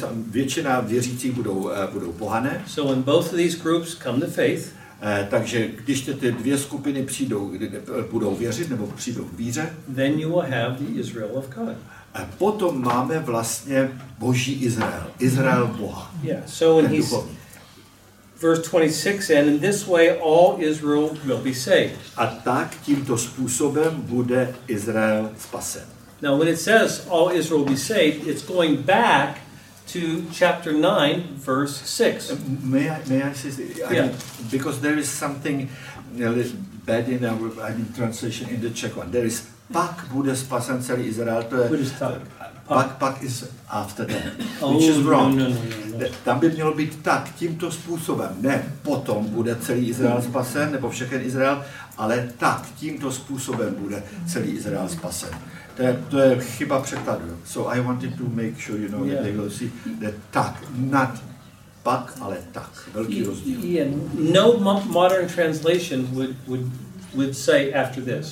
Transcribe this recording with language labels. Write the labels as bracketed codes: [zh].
[cs] Většina věřících budou pohané. [en] So when both of these groups come to faith. [cs] Takže když ty dvě skupiny budou věřit nebo přijdou k víře, [en] then you will have the Israel of God. [cs] Potom máme vlastně Boží Izrael, Izrael Boha. [en] Yeah, so in verse 26, and in this way all Israel will be saved. [cs] A tak tímto způsobem bude Izrael spasen. [en] Now when it says all Israel will be saved, it's going back to chapter 9, verse 6. May I say, because there is something a little bad in our translation in the Czech one. There is [cs] pak bude spasen celý Izrael, to je pak [en] is after that, which is wrong. [cs] No. Tam by mělo být tak, tímto způsobem, ne potom bude celý Izrael spasen, nebo všechen Izrael, ale tak, tímto způsobem bude celý Izrael spasen. To je chyba překladu. [en] So I wanted to make sure you know that they will see that [cs] tak, [en] not [cs] pak, ale tak. Velký rozdíl. [en] Yeah. No modern translation would say after this.